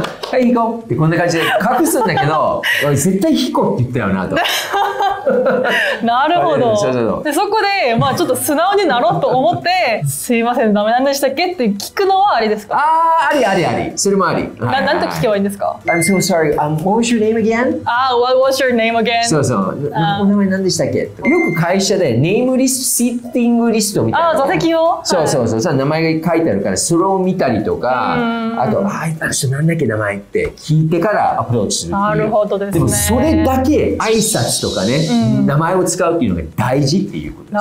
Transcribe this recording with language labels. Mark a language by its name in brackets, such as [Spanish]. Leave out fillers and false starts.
[Japanese] はい、ヒコってこんな感じで隠すんだけど、絶対ヒコって言ったよなと。なるほど。でそこで、まあ、ちょっと素直になろうと思ってすいませんダメなんでしたっけって聞くのはありですか。あー、ありありあり、それもあり。なんと聞けばいいんですか。 [English] I'm so sorry、what was your name again? What was your name again? [Japanese] そうそう、お名前何でしたっけ。よく会社でネームリスト、シッティングリストみたいな、あ、座席を、そうそうそう、はい、名前が書いてあるからそれを見たりとか、あと、あ、あの人何だっけ名前って聞いてからアプローチする。なるほどですね。でもそれだけ挨拶とかね、うん、名前を使うっていうのが大事っていうことですね。